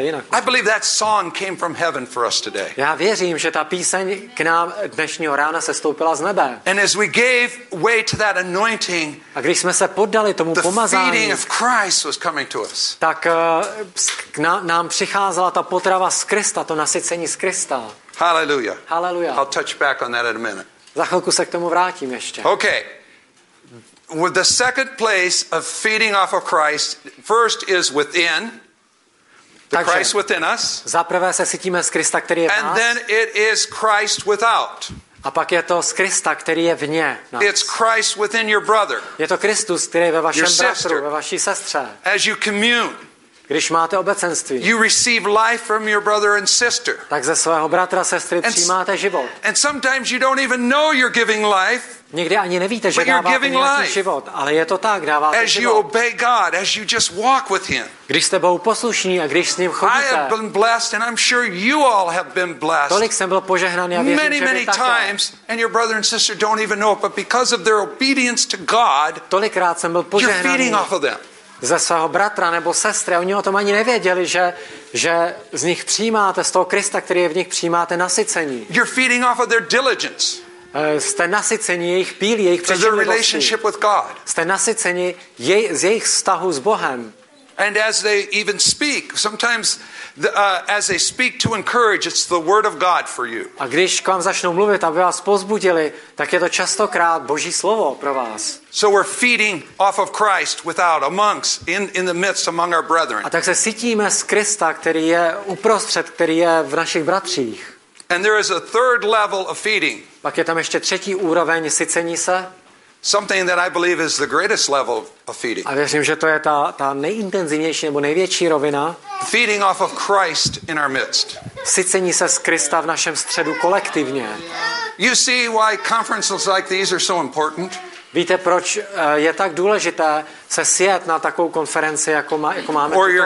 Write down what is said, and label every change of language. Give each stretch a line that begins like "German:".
English: I believe that song came from heaven for us today.
Czech: Já věřím, že ta píseň k nám dnešního rána sestoupila z nebe.
English: And as we gave way to that anointing,
Czech: a když jsme se poddali tomu pomazání,
English: the feeding of Christ was coming to us.
Czech: Tak nám přicházela ta potrava z Krista, to nasycení z Krista.
English: Hallelujah.
Czech: Hallelujah.
English: I'll touch back on that in a minute.
Czech: Za chvilku se k tomu vrátím ještě.
English: Okay. With the second place of feeding off of Christ, first is within.
Czech: Takže,
English: Christ within us.
Czech: Za prvé se sytíme z Krista, který je v nás.
English: And then it is Christ without.
Czech: A pak je to z Krista, který je vně nás.
English: It's Christ within your brother.
Czech: Je to Kristus, který je ve vašem bratru, ve vaší sestře.
English: As you commune.
Czech: Když máte obecenství.
English: You receive life from your brother and sister.
Czech: Tak ze svého bratra, sestry přijímáte život.
English: And sometimes you don't even know you're giving life.
Czech: Nikdy ani nevíte, že dáváte nějaký život, ale je to tak, dáváte život.
English: As you obey God, as you just walk with him.
Czech: Když jste Bohu poslušní a když s ním chodíte.
English: I have been blessed and I'm sure you all have been blessed.
Czech: Tolik jsem byl požehnaný a věřím,
English: many,
Czech: že
English: many
Czech: vy
English: times, and your brother and sister don't even know it, but because of their obedience to God.
Czech: Tolikrát jsem byl požehnaný.
English: You're feeding off of them.
Czech: Ze svého bratra nebo sestry, oni o tom ani nevěděli, že z nich přijímáte, z toho Krista, který je v nich, přijímáte nasycení.
English: You're feeding off of their diligence.
Czech: Jste nasyceni jejich pílí, jejich přečinivosti. Jste nasyceni z jejich vztahu s Bohem.
English: And as they even speak, sometimes as they speak to encourage, it's the word of God for you.
Czech: A když k vám začnou mluvit, aby vás pozbudili, tak je to častokrát Boží slovo pro vás.
English: So we're feeding off of Christ without amongst in the midst among our brethren.
Czech: A tak se sytíme z Krista, který je uprostřed, který je v našich bratřích.
English: And there is a third level of feeding.
Czech: Pak je tam ještě třetí úroveň sycení se.
English: Something that I believe is the greatest level of feeding.
Czech: A věřím, že to je ta nejintenzivnější nebo největší rovina.
English: Feeding off of Christ in our midst.
Czech: Sycení se z Krista v našem středu kolektivně.
English: You see why conferences like these are so important?
Czech: Víte, proč je tak důležité se sjet na takovou konferenci, jako máme tuto?